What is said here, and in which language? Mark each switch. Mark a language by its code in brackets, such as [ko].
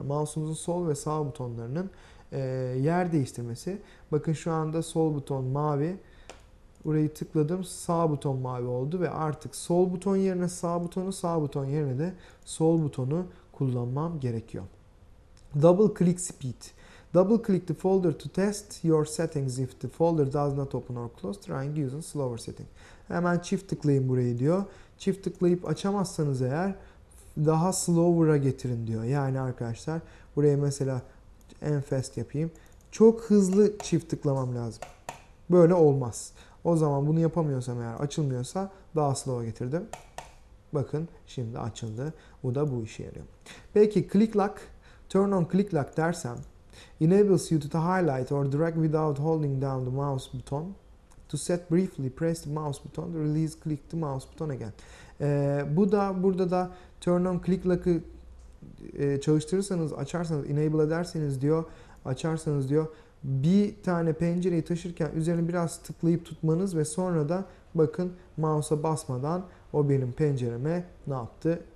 [tr] Mouse'umuzun sol ve sağ butonlarının yer değiştirmesi. Bakın şu anda sol buton mavi. Burayı tıkladım. Sağ buton mavi oldu ve artık sol buton yerine sağ butonu, sağ buton yerine de sol butonu kullanmam gerekiyor. [en] Double click speed. Double click the folder to test your settings if the folder does not open or close, trying using slower setting. [tr] Hemen çift tıklayın burayı diyor. Çift tıklayıp açamazsanız eğer daha slower'a getirin diyor. Yani arkadaşlar buraya mesela en fast yapayım. Çok hızlı çift tıklamam lazım. Böyle olmaz. O zaman bunu yapamıyorsam eğer açılmıyorsa daha slow'a getirdim. Bakın şimdi açıldı. Bu da bu işe yarıyor. Peki [en] click lock, turn on click lock dersem enables you to highlight or drag without holding down the mouse button. To set briefly, press the mouse button, release, click the mouse button again. [tr] Bu da burada da turn on click lock'ı çalıştırırsanız, açarsanız, enable ederseniz diyor, açarsanız diyor, bir tane pencereyi taşırken üzerine biraz tıklayıp tutmanız ve sonra da bakın mouse'a basmadan o benim pencereme ne yaptı?